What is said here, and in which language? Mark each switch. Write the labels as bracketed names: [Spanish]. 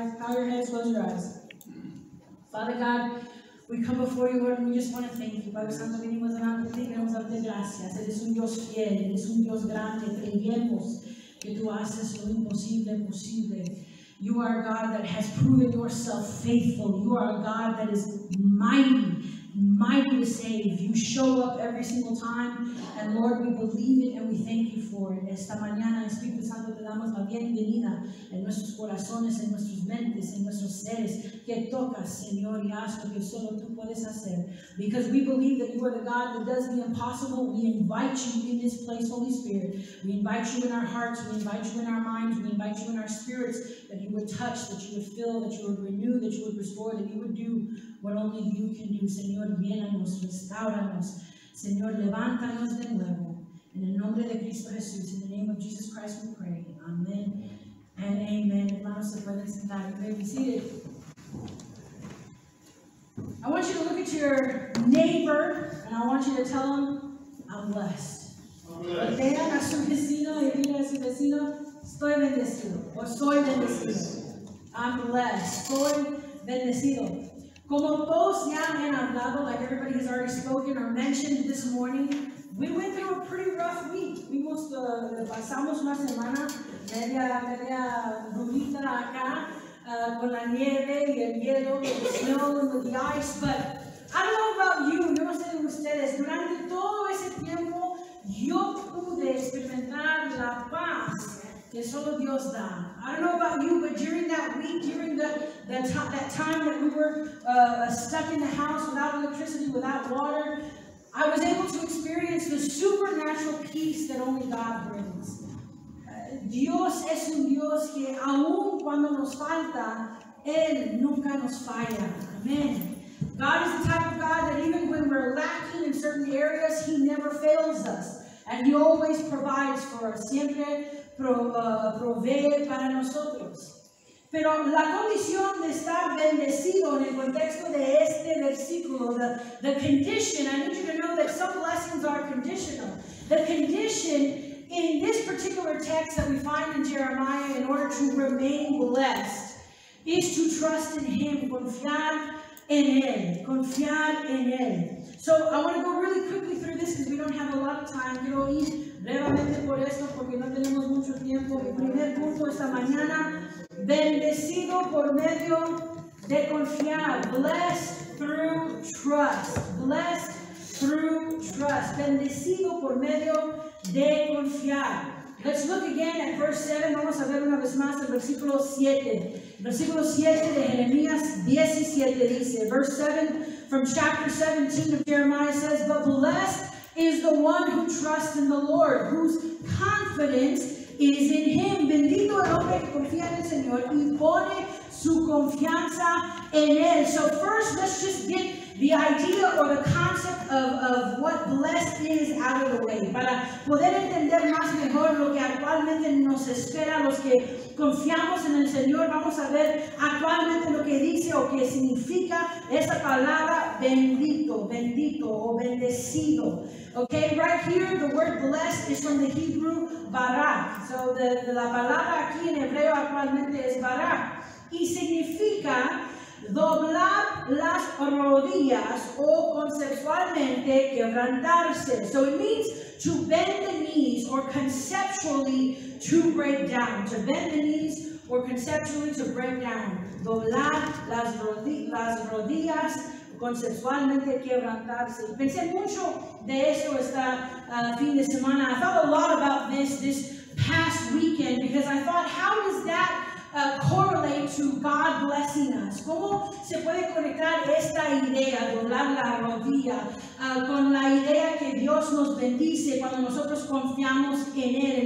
[English] Father God, we come before you, Lord, and we just want to thank you. [Spanish] Padre Santo, venimos delante de ti, queremos darte gracias. Eres un Dios fiel, eres un Dios grande. Creemos que tú haces lo imposible posible. [English] You are a God that has proven yourself faithful. You are a God that is mighty, mighty to save. You show up every single time, and Lord, we believe it and we thank you for it. [Spanish] Esta mañana, Espíritu Santo, te damos la bienvenida en nuestros corazones, en nuestras mentes, en nuestros seres. Que tocas, Señor, y haz lo que solo tú puedes hacer. [English] Because we believe that you are the God that does the impossible, we invite you in this place, Holy Spirit. We invite you in our hearts, we invite you in our minds, we invite you in our spirits, that you would touch, that you would fill, that you would renew, that you would restore, that you would do what only you can do. [Spanish] Señor, llénanos, restauranos. Señor, levántanos de nuevo. [English] In the [Spanish] nombre de Cristo Jesús, [English] in the name of Jesus Christ, we pray. Amen and amen. [Spanish] Hermanos, se pueden sentar. [English] You may be seated. I want you to look at your neighbor, and I want you to tell him, I'm blessed. [Spanish] Vean a su vecino y diga a su vecino, estoy bendecido. O soy bendecido. [English] I'm blessed. [Spanish] Soy bendecido. Como todos ya han hablado, [English] like everybody has already spoken or mentioned this morning, we went through a pretty rough week. [Spanish] Vimos, pasamos una semana media durita acá, con la nieve y el hielo, [English] the snow and with the ice. But I don't know about you, [Spanish] yo no sé de ustedes, durante todo ese tiempo, yo pude experimentar la paz que solo Dios da. [English] I don't know about you, but during that week, during that time that we were stuck in the house without electricity, without water, I was able to experience the supernatural peace that only God brings. [Spanish] Dios es un Dios que aun cuando nos falta, Él nunca nos falla. [English] Amen. God is the type of God that even when we're lacking in certain areas, He never fails us. And He always provides for us. [Spanish] Siempre provee para nosotros. Pero la condición de estar bendecido en el contexto de este versículo, [English] the condition, I need you to know that some blessings are conditional. The condition in this particular text that we find in Jeremiah in order to remain blessed is to trust in Him, [Spanish] confiar en Él, confiar en Él. [English] So I want to go really quickly through this because we don't have a lot of time. [Spanish] Quiero ir brevemente por esto porque no tenemos mucho tiempo. El primer punto esta mañana, bendecido por medio de confiar. [English] Blessed through trust. Blessed through trust. [Spanish] Bendecido por medio de confiar. [English] Let's look again at verse 7. [Spanish] Vamos a ver una vez más el versículo 7. Versículo 7 de Jeremías 17 dice, [English] verse 7 from chapter 17 of Jeremiah says, but blessed is the one who trusts in the Lord, whose confidence is in Him. [Spanish] Bendito el hombre que confía en el Señor y pone su confianza en Él. [English] So first, let's just get the idea or the concept of what blessed is out of the way. [Spanish] Para poder entender más mejor lo que actualmente nos espera los que confiamos en el Señor, vamos a ver actualmente lo que dice o que significa esa palabra bendito, bendito o bendecido. [English] Okay, right here, the word blessed is from the Hebrew barak. [Spanish] So la palabra aquí en hebreo actualmente es barak. Y significa doblar las rodillas o conceptualmente quebrantarse. [English] So it means to bend the knees or conceptually to break down. To bend the knees or conceptually to break down. [Spanish] Doblar las rodillas conceptualmente quebrantarse. Pensé mucho de eso esta fin de semana. [English] I thought a lot about this past weekend because I thought, how does that correlate to God blessing us? [Spanish] ¿Cómo se puede conectar esta idea, doblar la rodilla, con la idea que Dios nos bendice cuando nosotros confiamos en Él?